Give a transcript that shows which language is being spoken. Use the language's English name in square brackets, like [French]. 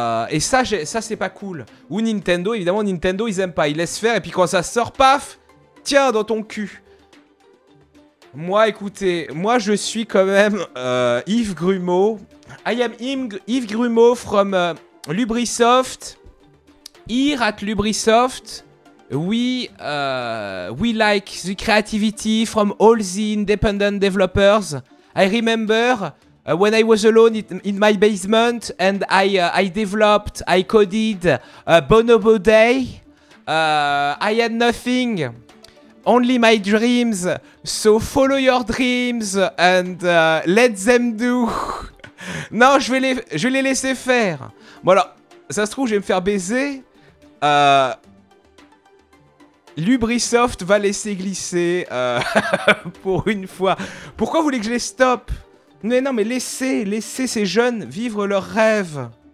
[French] Et ça c'est pas cool. Ou Nintendo, évidemment Nintendo ils aiment pas, ils laissent faire et puis quand ça sort, paf, tiens dans ton cul. Moi écoutez, moi je suis quand même Yves Grumeau. [English] I am Yves Grumeau from Lubrisoft. Here at Lubrisoft, we like the creativity from all the independent developers. I remember when I was alone in my basement and I coded Bonobo Day. I had nothing, only my dreams. So follow your dreams and let them do. [French] Non, je vais les laisser faire. Bon alors, ça se trouve, je vais me faire baiser. Lubrisoft va laisser glisser pour une fois. Pourquoi vous voulez que je les stoppe? Mais non, mais laissez ces jeunes vivre leurs rêves.